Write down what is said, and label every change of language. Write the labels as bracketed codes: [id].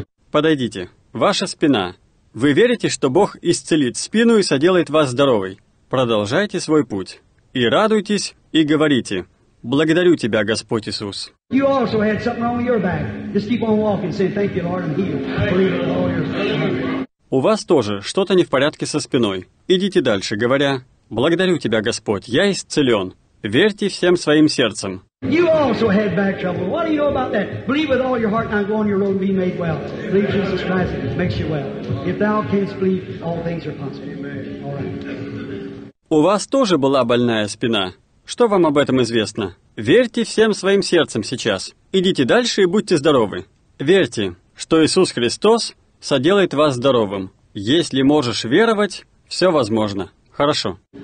[ru] Подойдите. Ваша спина. Вы верите, что Бог исцелит спину и соделает вас здоровой? Продолжайте свой путь. И радуйтесь, и говорите, «Благодарю тебя, Господь Иисус». [en] You also had something wrong with your back. Just keep on walking, saying, thank you, Lord, I'm healed. [ru] У вас тоже что-то не в порядке со спиной. Идите дальше, говоря, «Благодарю тебя, Господь, я исцелен. Верьте всем своим сердцем». [en] You also had back trouble. What do you know about that? Believe with all your heart, and go on your road and be made well. Believe Jesus Christ makes you well. If thou canst believe, all things are possible. All right. [ru] У вас тоже была больная спина. Что вам об этом известно? Верьте всем своим сердцем сейчас. Идите дальше и будьте здоровы. Верьте, что Иисус Христос соделает вас здоровым. Если можешь веровать, все возможно. Хорошо.